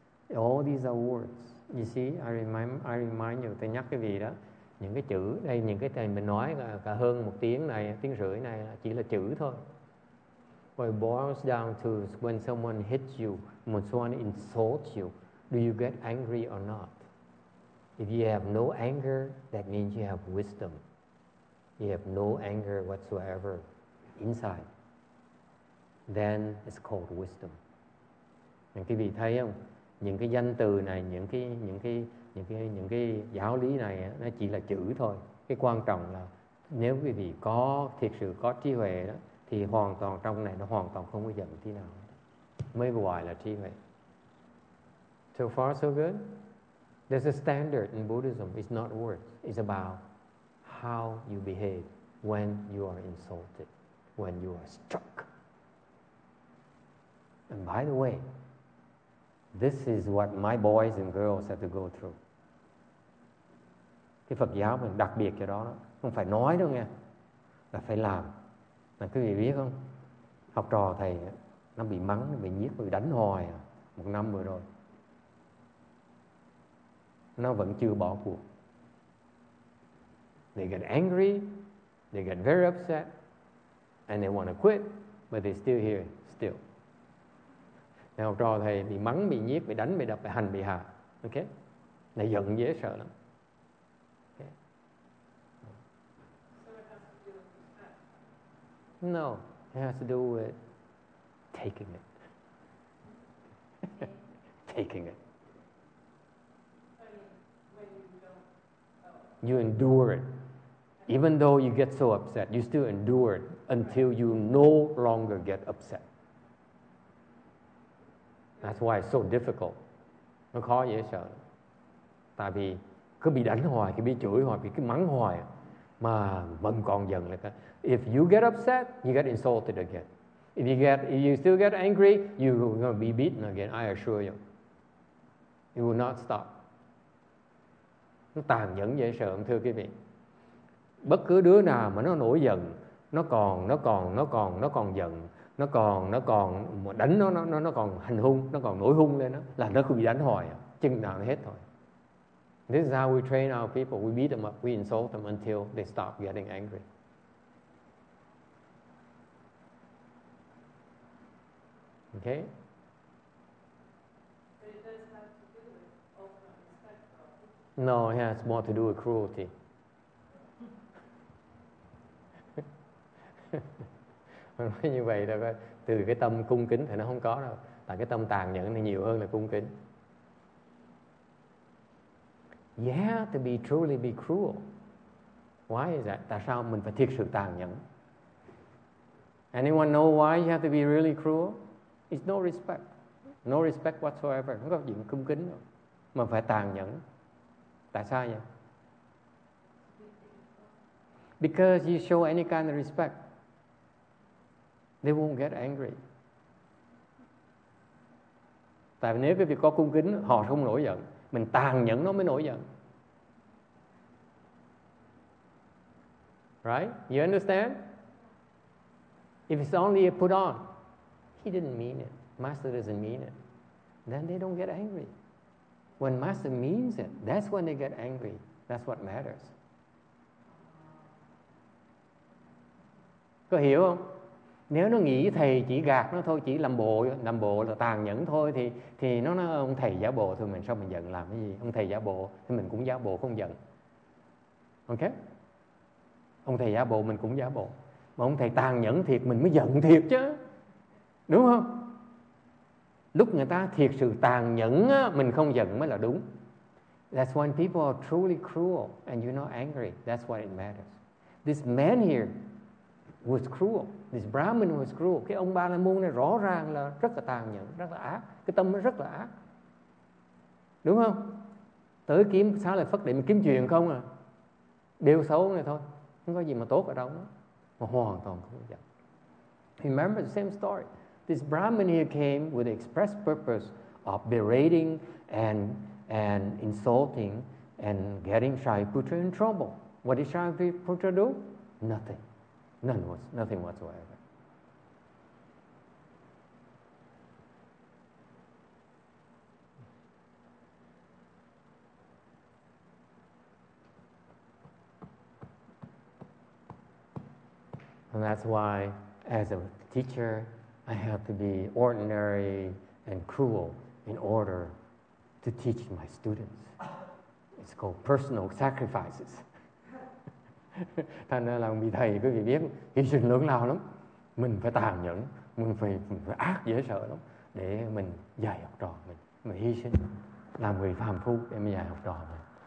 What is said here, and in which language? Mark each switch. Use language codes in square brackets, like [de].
[en] All these are words. You see, I remind you, [vi] tôi nhắc cái gì đó. Những cái chữ, đây những cái tên mình nói là cả hơn một tiếng này, tiếng rưỡi này chỉ là chữ thôi. [en] Well, it boils down to when someone hits you, when someone insults you, do you get angry or not? If you have no anger, that means you have wisdom. You have no anger whatsoever inside. Then it's called wisdom. [vi] Những cái vị thấy không? Những cái danh từ này, những cái giáo lý này nó chỉ là chữ thôi. Cái quan trọng là nếu quý vị có thiệt sự có trí huệ đó thì hoàn toàn trong này nó hoàn toàn không có giận tí nào. Mới gọi là trí huệ. [en] So far so good. There's a standard in Buddhism, it's not words, it's about how you behave when you are insulted, when you are struck. And by the way, this is what my boys and girls have to go through. [vi] Cái Phật giáo mình đặc biệt cho đó, đó. Không phải nói đâu nghe, là phải làm. Là quý vị biết không? Học trò thầy nó bị mắng, nó bị nhiếc, bị đánh hoài một năm vừa rồi. Nó vẫn chưa bỏ cuộc. [en] They get angry, they get very upset, and they want to quit, but they're still here, still. [vi] Thầy học trò thầy bị mắng, bị nhiếc, bị đánh, bị đập, bị hành, bị hạ. Ok? Là giận dễ sợ lắm. [en] Okay. No, it has to do with taking it. Taking it. You endure it. Even though you get so upset, you still endure it until you no longer get upset. That's why it's so difficult. [vi] Nó khó dễ sợ. Tại vì cứ bị đánh hoài, cứ bị chửi hoài, bị cứ mắng hoài mà vẫn còn giận là cái. [en] If you get upset, you get insulted again. If you still get angry, you're going to be beaten again, I assure you. It will not stop. [vi] Nó tàn nhẫn dễ sợ, thưa quý vị. Bất cứ đứa nào mà nó nổi giận, nó còn giận. Nó còn một đánh nó còn hành hung, nó còn nổi hung lên đó là nó cứ bị đánh hoài, chừng nào nó hết thôi. [en] This is how we train our people, we beat them up, we insult them until they stop getting angry. Okay? No, it has more to do with cruelty. [vi] Như vậy đó các. Từ cái tâm cung kính thì nó không có đâu. Tại cái tâm tàn nhẫn thì nhiều hơn là cung kính. [en] You have to be truly be cruel. Why is that? [vi] Tại sao mình phải thiệt sự tàn nhẫn? [en] Anyone know why you have to be really cruel? It's no respect. No respect whatsoever. [vi] Không có chuyện cung kính đâu. Mà phải tàn nhẫn. Tại sao vậy? [en] Because you show any kind of respect, they won't get angry. [vi] Tại vì nếu quý vị có cung kính, họ không nổi giận. mình tàn nhẫn nó mới nổi giận. [en] Right? You understand? If it's only a put on, he didn't mean it. Master doesn't mean it. Then they don't get angry. When Master means it, that's when they get angry. That's what matters. [vi] Có hiểu không? Nếu nó nghĩ thầy chỉ gạt nó thôi, chỉ làm bộ là tàn nhẫn thôi, thì nó nói ông thầy giả bộ thôi, mình sao mình giận làm cái gì? Ông thầy giả bộ thì mình cũng giả bộ không giận. Ok? Ông thầy giả bộ mình cũng giả bộ. Mà ông thầy tàn nhẫn thiệt mình mới giận thiệt chứ. Đúng không? Lúc người ta thiệt sự tàn nhẫn á, mình không giận mới là đúng. [en] That's when people are truly cruel and you're not angry. That's why it matters. This man here was cruel. This Brahmin was cruel. [vi] Cái ông Ba La Môn này rõ ràng là rất là tàn nhẫn, rất là ác. Cái tâm nó rất là ác. Đúng không? Tới kiếm Xá Lợi Phất để mình kiếm chuyện không à? Điều xấu này thôi. Không có gì mà tốt ở đâu đó. Mà hoàn toàn không giận. [en] Remember the same story. This Brahmin here came with the express purpose of berating and insulting and getting Shariputra in trouble. What did Shariputra do? Nothing. Nothing whatsoever. And that's why, as a teacher, I have to be ordinary and cruel in order to teach my students. It's called personal sacrifices. [vi] Thành ra là vị thầy, quý vị biết, hy sinh lớn lao lắm. Mình phải tàn nhẫn, mình phải ác dễ sợ lắm để mình dạy học trò mình. Mình hy sinh, làm người phàm phu để mình dạy học trò mình.